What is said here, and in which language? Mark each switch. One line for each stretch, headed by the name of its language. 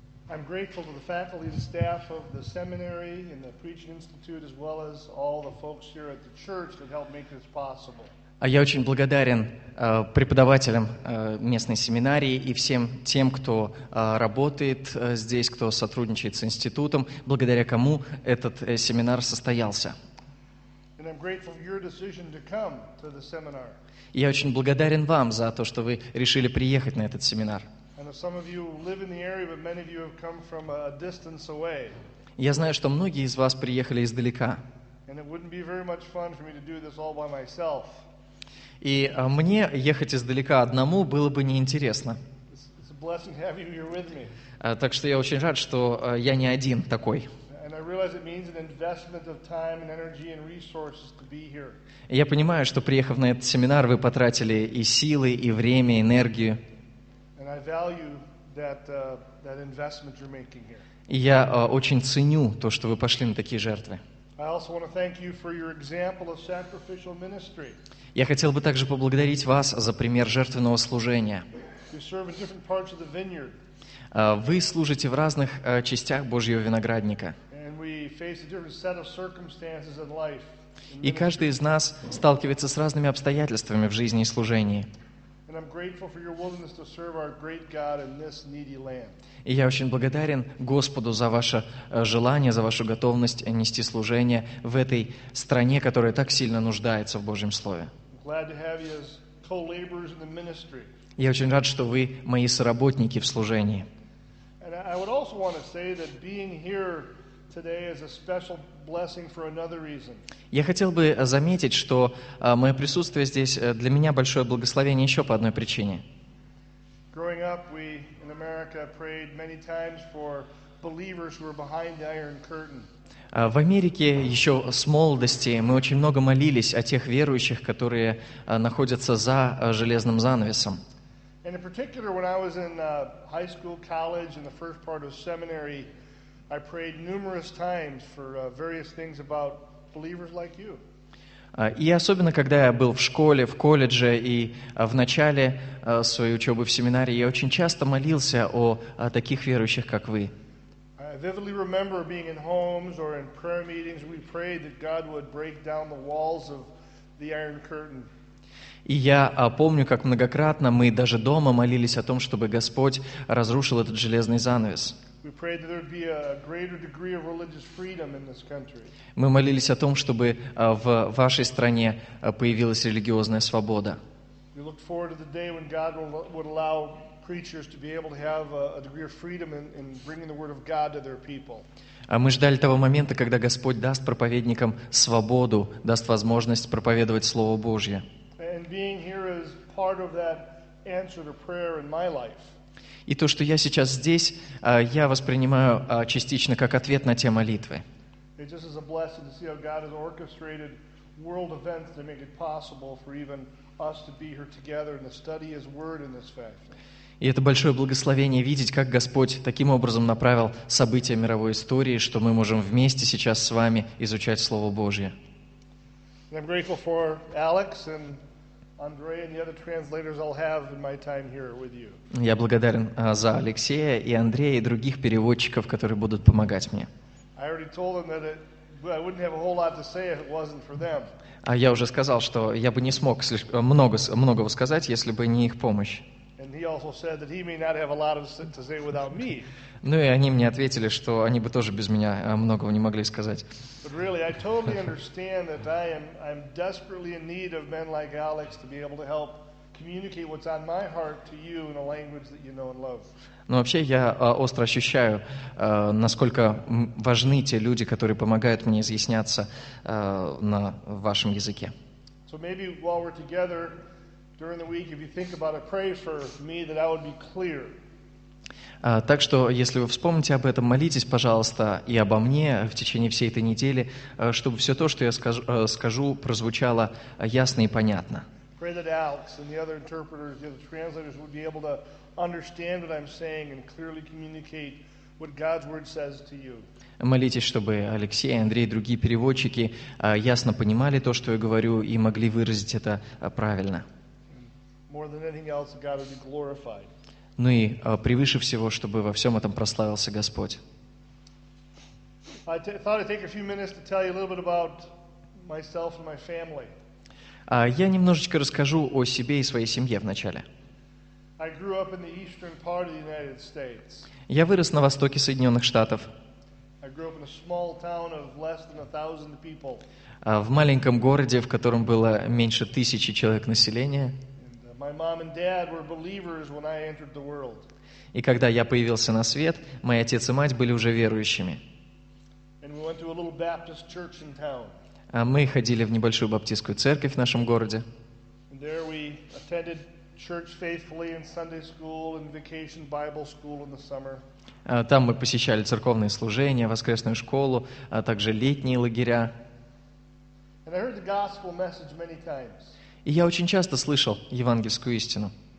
English: I'm grateful to the faculty and staff of the seminary and the Preaching Institute, as well as all the folks here at the church that helped make this possible.
Russian: Я очень благодарен преподавателям местной семинарии и всем тем, кто работает здесь, кто сотрудничает с институтом, благодаря кому этот семинар состоялся.
English: And I'm grateful for your decision to come to the seminar.
Russian: Я очень благодарен вам за то, что вы решили приехать на этот семинар.
English: Some of you live in the area, but many of you have come from a distance away.
Russian: Я знаю, что многие из вас приехали издалека.
English: And it wouldn't be very much fun for me to do this all by myself.
Russian: И мне ехать издалека одному было бы неинтересно.
English: It's a blessing to have you here with me.
Russian: Так что я очень рад, что я не один такой.
English: And I realize it means an investment of time and energy and resources to be here.
Russian: Я понимаю, что приехав на этот семинар, вы потратили и силы, и время, и энергию.
English: I value that investment you're making here.
Russian: Я очень ценю то, что вы пошли на такие жертвы.
English: I also want to thank you for your example of sacrificial ministry.
Russian: Я хотел бы также поблагодарить вас за пример жертвенного служения.
English: You serve in different parts of the vineyard.
Russian: Вы служите в разных частях Божьего виноградника.
English: And we face a different set of circumstances in life.
Russian: И каждый из нас сталкивается с разными обстоятельствами в жизни и служении.
English: And I'm grateful for your willingness to serve our great God in this needy land.
Russian: И я очень благодарен Господу за ваше желание, за вашу готовность нести служение в этой стране, которая так сильно нуждается в Божьем слове.
English: Glad to have you as co-laborers in the ministry.
Russian: Я очень рад, что вы мои соработники в служении.
English: And I would also want to say that being here today is a special blessing for another reason.
Russian: Я хотел бы заметить, что мое присутствие здесь для меня большое благословение еще по одной причине.
English: Growing up, we in America prayed many times for believers who were behind the Iron Curtain.
Russian: В Америке еще с молодости мы очень много молились о тех верующих, которые находятся за железным занавесом.
English: And in particular, when I was in high school, college, and the first part of seminary, I prayed numerous times for various things about believers like you.
Russian: И особенно когда я был в школе, в колледже и в начале своей учебы в семинарии, я очень часто молился о таких верующих, как вы.
English: I vividly remember being in homes or in prayer meetings where we prayed that God would break down the walls of the Iron Curtain.
Russian: И я помню, как многократно мы даже дома молились о том, чтобы Господь разрушил этот железный занавес.
English: We prayed that there would be a greater degree of religious freedom in this country.
Russian: Мы молились о том, чтобы в вашей стране появилась религиозная свобода.
English: We looked forward to the day when God would allow preachers to be able to have a degree of freedom in bringing the word of God to their people.
Russian: Мы ждали того момента, когда Господь даст проповедникам свободу, даст возможность проповедовать Слово Божье.
English: And being here is part of that answer to prayer in my life.
Russian: И то, что я сейчас здесь, я воспринимаю частично как ответ на те молитвы.
English: It just is a blessing to see how God has orchestrated world events to make it possible for even us to be here together and to study His Word in this fashion.
Russian: И это большое благословение видеть, как Господь таким образом направил события мировой истории, что мы можем вместе сейчас с вами изучать Слово Божье.
English: I'm grateful for Alex and Andre and the other translators I'll have in my time here with you.
Russian: Я благодарен за Алексея и Андрея и других переводчиков, которые будут помогать мне.
English: I already told them that I wouldn't have a whole lot to say if it wasn't for them.
Russian: А я уже сказал, что я бы не смог многого сказать, если бы не их помощь.
English: And he also said that he may not have a lot to say without me.
Russian: Ну и они мне ответили, что они бы тоже без меня многого не могли сказать.
English: But really, I totally understand that I'm desperately in need of men like Alex to be able to help communicate what's on my heart to you in a language that you know and love.
Russian: Но вообще я остро ощущаю, насколько важны те люди, которые помогают мне изъясняться на вашем языке.
English: So maybe while we're together during the week, if you think about it, pray for me that I would be clear.
Russian: Так что, если вы вспомните об этом, молитесь, пожалуйста, и обо мне в течение всей этой недели, чтобы все то, что я скажу, прозвучало ясно и понятно.
English: Pray that Alex and the other interpreters, the other translators would be able to understand what I'm saying and clearly communicate what God's word says to you.
Russian: Молитесь, чтобы Алексей, Андрей и другие переводчики ясно понимали то, что я говорю, и могли выразить это правильно.
English: More than anything else, God would be glorified.
Russian: Ну и превыше всего, чтобы во всем этом прославился Господь.
English: I thought I'd take a few minutes to tell you a little bit about myself and my family.
Russian: Я немножечко расскажу о себе и своей семье вначале.
English: I grew up in the eastern part of the United States.
Russian: Я вырос на востоке Соединенных Штатов.
English: I grew up in a small town of less than 1,000 people.
Russian: В маленьком городе, в котором было меньше 1,000 человек населения.
English: My mom and dad were believers when I entered the world.
Russian: И когда я появился на свет, мои отец и мать были уже верующими.
English: And we went to a little Baptist church in town.
Russian: А мы ходили в небольшую баптистскую церковь в нашем городе.
English: And there we attended church faithfully in Sunday school and vacation Bible school in the summer.
Russian: Там мы посещали церковные служения, воскресную школу, а также летние лагеря.
English: And I heard the gospel message many times.
Russian: И я очень часто слышал евангельскую истину.